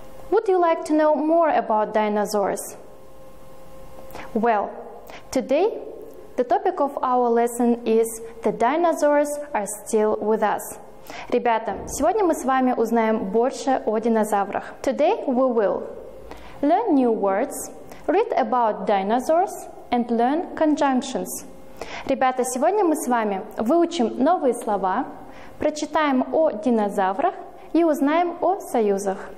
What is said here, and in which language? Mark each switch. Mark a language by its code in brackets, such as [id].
[en] Would you like to know more about dinosaurs? Well, today the topic of our lesson is "The dinosaurs are still with us". [ru] Ребята, сегодня мы с вами узнаем больше о динозаврах. [en] Today we will learn new words, read about dinosaurs and learn conjunctions. [ru] Ребята, сегодня мы с вами выучим новые слова, прочитаем о динозаврах и узнаем о союзах.